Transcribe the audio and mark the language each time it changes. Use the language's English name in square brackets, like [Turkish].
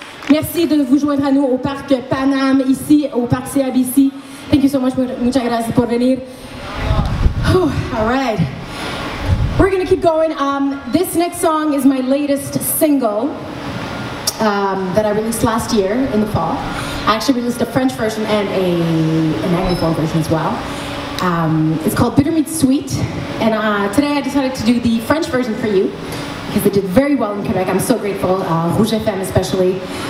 [French] Merci de vous joindre à nous au parc Panam, ici au parc CIBC. [English] Thank you so much, [Spanish] muchas gracias por venir. [English] Oh, all right. We're gonna keep going. This next song is my latest single that I released last year in the fall. I actually released a French version and an Anglophone version as well. It's called Bitter Meets Sweet, and today I decided to do the French version for you because it did very well in Quebec. I'm so grateful, Rouge FM especially.